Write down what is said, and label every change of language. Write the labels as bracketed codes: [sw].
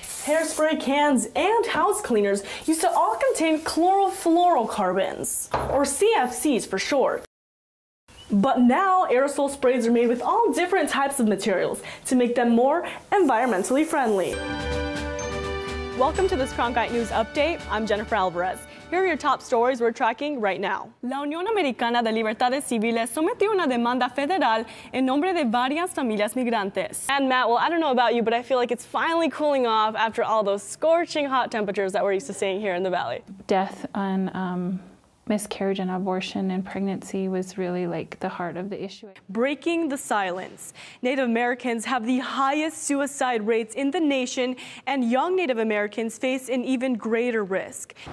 [en] Hairspray cans and house cleaners used to all contain chlorofluorocarbons, or CFCs for short. But now aerosol sprays are made with all different types of materials to make them more environmentally friendly. Welcome to this Cronkite News update. I'm Jennifer Alvarez. Here are your top stories we're tracking right now. [es] La Unión Americana de Libertades Civiles sometió una demanda federal en nombre de varias familias migrantes. [en] And Matt, well, I don't know about you, but I feel like it's finally cooling off after all those scorching hot temperatures that we're used to seeing here in the valley. Death and miscarriage and abortion and pregnancy was really like the heart of the issue. Breaking the silence. Native Americans have the highest suicide rates in the nation, and young Native Americans face an even greater risk.